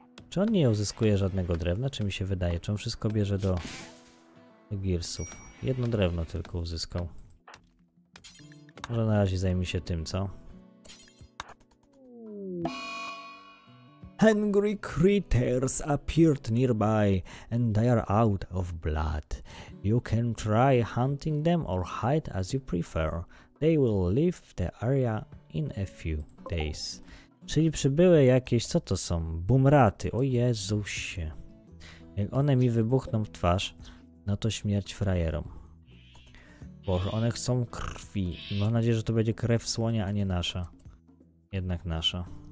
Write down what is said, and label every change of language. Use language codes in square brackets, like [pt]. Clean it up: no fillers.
[pl] Czy on nie uzyskuje żadnego drewna, czy mi się wydaje? Czy on wszystko bierze do Gearsów? Jedno drewno tylko uzyskał. Może na razie zajmie się tym, co? [en] Hungry creatures appeared nearby and they are out of blood. You can try hunting them or hide as you prefer. They will leave the area in a few days. [pl] Czyli przybyły jakieś, co to są? Bumraty, o Jezusie. Jak one mi wybuchną w twarz, no to śmierć frajerom. Boże, one chcą krwi. Mam nadzieję, że to będzie krew słonia, a nie nasza. Jednak nasza.